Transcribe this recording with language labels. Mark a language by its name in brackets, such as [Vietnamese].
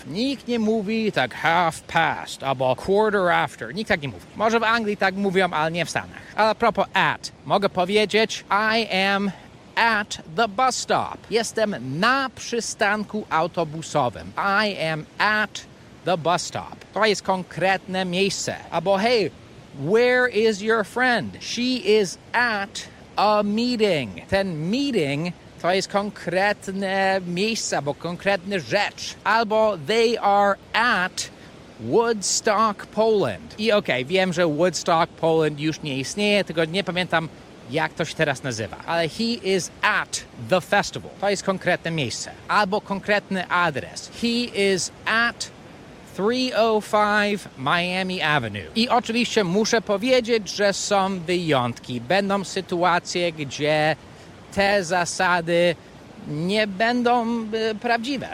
[Polish] Nikt nie mówi tak [English] half past, [Polish] albo [English] quarter after. [Polish] Nikt tak nie mówi. Może w Anglii tak mówią, ale nie w Stanach. A propos at, mogę powiedzieć [English] I am at the bus stop. [Polish] Jestem na przystanku autobusowym. [English] I am at the bus stop. [Polish] To jest konkretne miejsce. [English] Albo hey, where is your friend? She is at a meeting. [Polish] Ten meeting to jest konkretne miejsce, albo konkretne rzecz. [English] Albo they are at Woodstock, Poland. [Polish] I okej, wiem, że Woodstock, Poland już nie istnieje, tylko nie pamiętam, jak to się teraz nazywa. [English] Ale he is at the festival. [Polish] To jest konkretne miejsce. Albo konkretny adres. [English] He is at 305 Miami Avenue. [Polish] I oczywiście muszę powiedzieć, że są wyjątki. Będą sytuacje, gdzie te zasady nie będą prawdziwe.